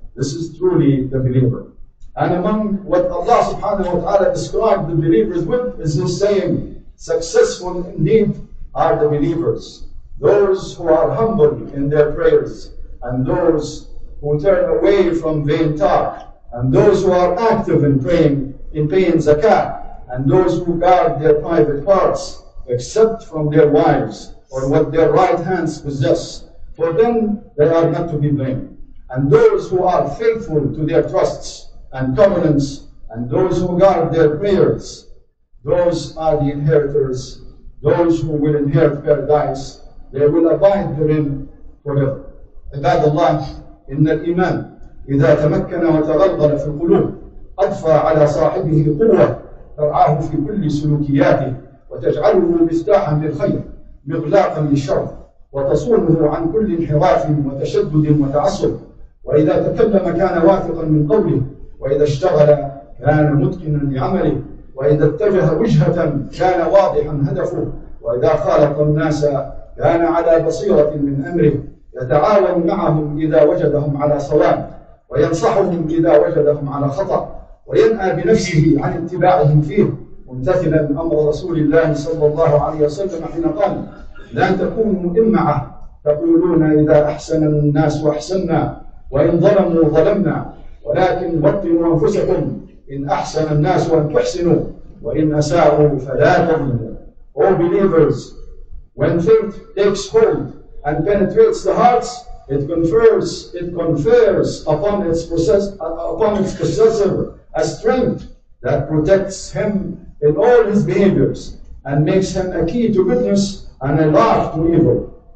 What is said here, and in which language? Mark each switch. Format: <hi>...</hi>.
<en>This is truly the believer. And among what Allah subhanahu wa ta'ala described the believers with is his saying, successful indeed are the believers, those who are humble in their prayers, and those who turn away from vain talk, and those who are active in praying, in paying zakah, and those who guard their private parts, except from their wives or what their right hands possess, for then they are not to be blamed. And those who are faithful to their trusts and covenants, and those who guard their prayers, those are the inheritors, those who will inherit paradise, they will abide therein forever.</en> <ar>عباد الله إن الإيمان إذا تمكن وتغلغل في القلوب أضفى على صاحبه قوة ترعاه في كل سلوكياته وتجعله مصداحا للخير مغلاقا للشر وتصونه عن كل انحراف وتشدد وتعصب وإذا تكلم كان واثقا من قوله وإذا اشتغل كان متقنا لعمله وإذا اتجه وجهة كان واضحا هدفه وإذا خالط الناس كان على بصيرة من أمره يتعاون معهم إذا وجدهم على صواب وينصحهم إذا وجدهم على خطأ وينأى بنفسه عن اتباعهم فيه ممتثلا أمر رسول الله صلى الله عليه وسلم حين قال لن تكونوا إمعة تقولون إذا أحسن الناس أحسننا وإن ظلموا ظلمنا ولكن بطنوا أنفسكم إن أحسن الناس أن تحسنوا وإن أساءوا فلا تظلموا.</ar> <en>All believers, when faith takes hold and penetrates the hearts, it confers upon its possessor a strength that protects him in all his behaviors and makes him a key to goodness and a lock to evil.</en>